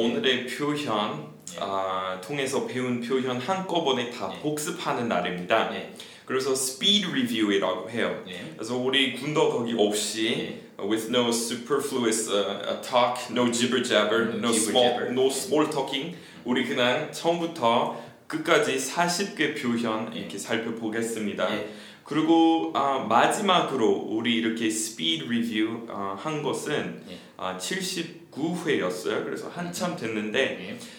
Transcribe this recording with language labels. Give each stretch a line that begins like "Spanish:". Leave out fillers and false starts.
Korean: 오늘의 표현 예. 아, 통해서 배운 표현 한꺼번에 다 예. 복습하는 날입니다. 예. 그래서 speed review이라고 해요. 예. 그래서 우리 군더더기 없이 예.
English: with no superfluous talk, no jibber jabber, no small jibber. no small talking.
Korean: 우리 그냥 처음부터 끝까지 40개 표현 예. 이렇게 살펴보겠습니다. 예. 그리고 아, 마지막으로 우리 이렇게 speed review 아, 한 것은 예. 아, 79회였어요. 그래서 한참 됐는데 예.